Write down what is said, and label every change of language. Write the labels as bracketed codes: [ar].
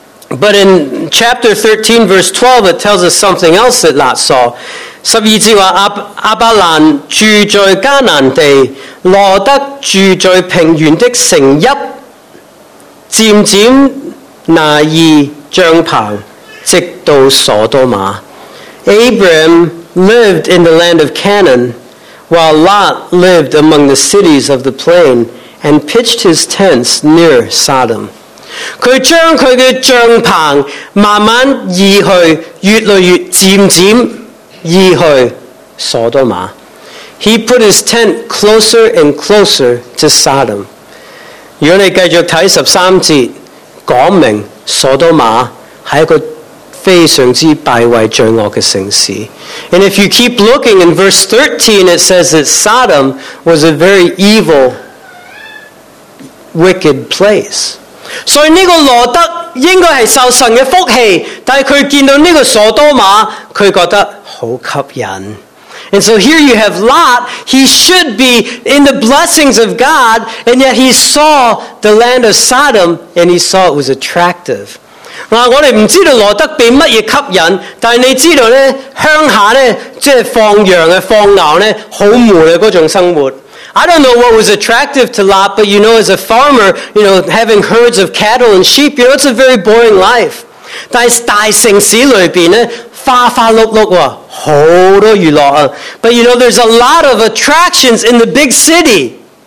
[en] But in chapter 13 verse 12, it tells us something else that Lot saw. [yue] 十二节话亚伯兰住在迦南地，罗德住在平原的城邑，渐渐拿意帐篷，直到所多玛。 [en] Abram lived in the land of Canaan. While Lot lived among the cities of the plain and pitched his tents near Sodom. [yue] 他将他的帐篷慢慢移去，越来越渐渐移去所多玛。 [en] He put his tent closer and closer to Sodom. [yue] 如果你继续看十三节，讲明所多玛是一个非常之败坏罪恶的城市。 [en] And if you keep looking in verse 13, it says that Sodom was a very evil, wicked place. [yue] 所以这个罗德应该是受神的福气，但是他见到这个所多玛，他觉得好吸引。 [en] And so here you have Lot. He should be in the blessings of God, and yet he saw the land of Sodom, and he saw it was attractive. [yue] 我们不知道罗德被什么吸引，但你知道呢，乡下呢，即系放羊嘅放牛呢，好闷嘅嗰种生活。 [en] I don't know what was attractive to Lot, but you know, as a farmer, you know, having herds of cattle and sheep, you know, it's a very boring life. [yue] 但是大城市里边呢，花花绿绿，好多娱乐啊。 [en] But you know, there's a lot of attractions in the big city.